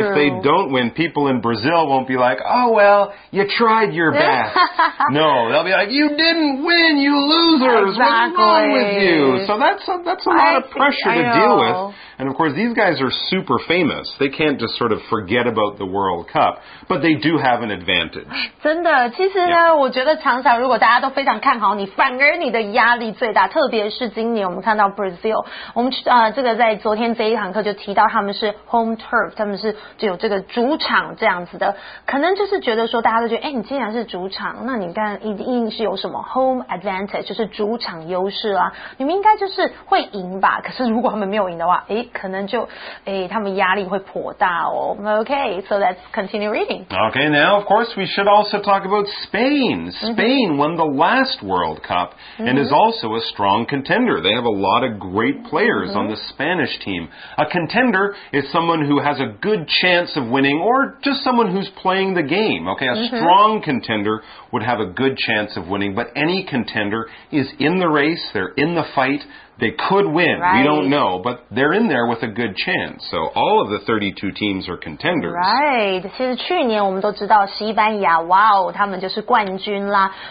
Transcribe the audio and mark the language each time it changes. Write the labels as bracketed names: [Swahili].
[English] If they don't win, people in Brazil won't be like, oh, well, you tried your best. No, they'll be like, you didn't win, you losers. Exactly. What's wrong with you? So that's a lot of pressure to deal with. And of course, these guys are super famous. They can't just sort of forget about the World Cup. But they do have an advantage. [Chinese] 真的，其实呢、 [English] yeah. [Chinese] 我觉得常常如果大家都非常看好你，反而你的压力最大，特别是今年我们看到 Brazil... 我们这个在昨天这一堂课就提到他们是 home turf， 他们是就有这个主场这样子的，可能就是觉得说大家都觉得，哎，你既然是主场，那你干一定是有什么 home advantage， 就是主场优势啦、啊，你们应该就是会赢吧？可是如果他们没有赢的话，哎，可能就哎他们压力会颇大哦。 [English] Okay, so let's continue reading. Okay, now of course we should also talk about Spain. Spain、 mm-hmm. won the last World Cup and、 mm-hmm. is also a strong contender. They have a lot of great players、mm-hmm. on the Spanish team. A contender is someone who has a good chance of winning or just someone who's playing the game. Okay, a、 mm-hmm. strong contender would have a good chance of winning, but any contender is in the race, they're in the fight, they could win,、 right. we don't know, but they're in there with a good chance. So all of the 32 teams are contenders. [Chinese] Right, 其实去年我们都知道西班牙，哇哦，他们就是冠军啦。